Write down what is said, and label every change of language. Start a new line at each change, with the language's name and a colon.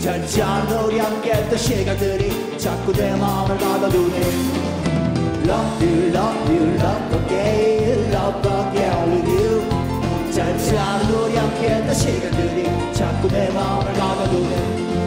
Korean: 잘잔 우리 함께했던 시간들이 자꾸 내 마음을 가둬두네.
English: Love you, love you, love again, love again with you.
Korean: 잘잔 우리 함께했던 시간들이 자꾸 내 마음을 가둬두네.